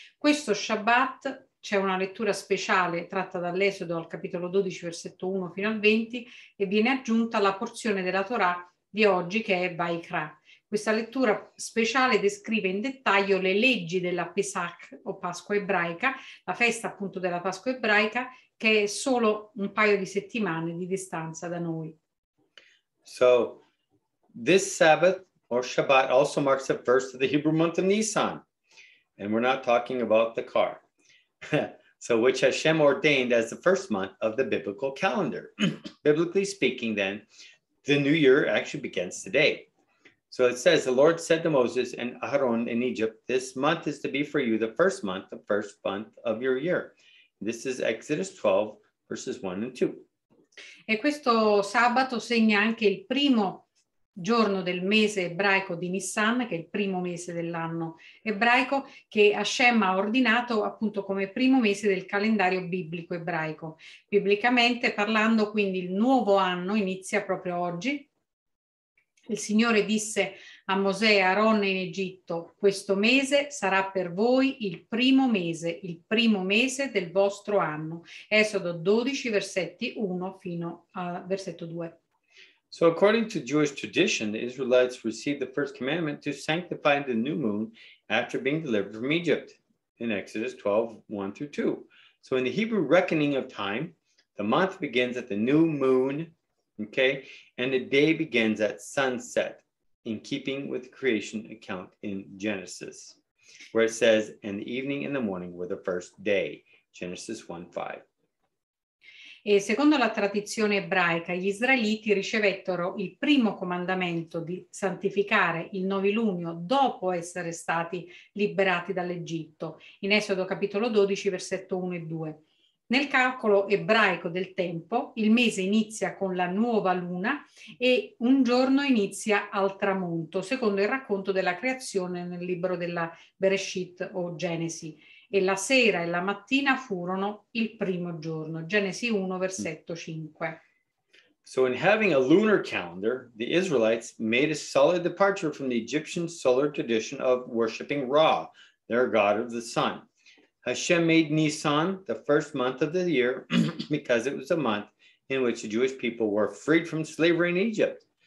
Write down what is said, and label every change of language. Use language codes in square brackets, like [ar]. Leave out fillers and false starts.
[it] Questo Shabbat c'è una lettura speciale tratta dall'Esodo al capitolo 12, versetto 1 fino al 20, e viene aggiunta la porzione della Torah di oggi che è Vayikra. Questa lettura speciale descrive in dettaglio le leggi della Pesach o Pasqua ebraica, la festa appunto della Pasqua ebraica, che è solo un paio di settimane di distanza da noi. [en] So, this Sabbath or Shabbat also marks the first of the Hebrew month of Nisan. And we're not talking about the car. So, which Hashem ordained as the first month of the biblical calendar. Biblically speaking then, the new year actually begins today. So it says, the Lord said to Moses and Aaron in Egypt, this month is to be for you the first month, the first month of your year. This is Exodus 12, verses 1 and 2. [it] E questo sabato segna anche il primo giorno del mese ebraico di Nissan, che è il primo mese dell'anno ebraico, che Hashem ha ordinato appunto come primo mese del calendario biblico ebraico. Biblicamente parlando, quindi, il nuovo anno inizia proprio oggi. Il Signore disse a Mosè e Aaron in Egitto, questo mese sarà per voi il primo mese del vostro anno. Esodo 12, versetti 1 fino a versetto 2. [en] So according to Jewish tradition, the Israelites received the first commandment to sanctify the new moon after being delivered from Egypt in Exodus 12, 1 through 2. So in the Hebrew reckoning of time, the month begins at the new moon. Okay, and the day begins at sunset, in keeping with the creation account in Genesis, where it says, and the evening and the morning were the first day, Genesis 1:5. [it] E secondo la tradizione ebraica, gli israeliti ricevettero il primo comandamento di santificare il novilunio dopo essere stati liberati dall'Egitto, in Esodo capitolo 12, versetto 1 e 2. Nel calcolo ebraico del tempo, il mese inizia con la nuova luna e un giorno inizia al tramonto, secondo il racconto della creazione nel libro della Bereshit o Genesi. E la sera e la mattina furono il primo giorno, Genesi 1, versetto 5. [en] So in having a lunar calendar, the Israelites made a solid departure from the Egyptian solar tradition of worshiping Ra, their god of the sun. Hashem made Nisan the first month of the year because it was a month in which the Jewish people were freed from slavery in Egypt.